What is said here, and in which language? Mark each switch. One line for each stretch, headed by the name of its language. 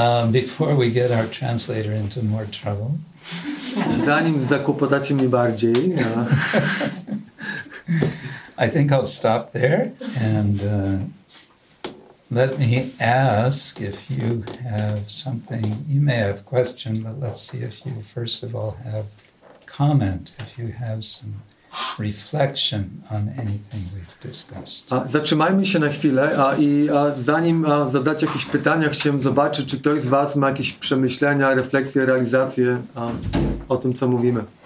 English: Before we get our translator into more trouble.
Polish: Zanim zakłopotacie mnie bardziej.
English: I think I'll stop there and let me ask if you have something. You may have question, but let's see if you first of all have comment, if you have some reflection on anything we've discussed.
Polish: Zatrzymajmy się na chwilę zanim zadać jakieś pytania, chciałem zobaczyć, czy ktoś z was ma jakieś przemyślenia, refleksje, realizacje o tym, co mówimy.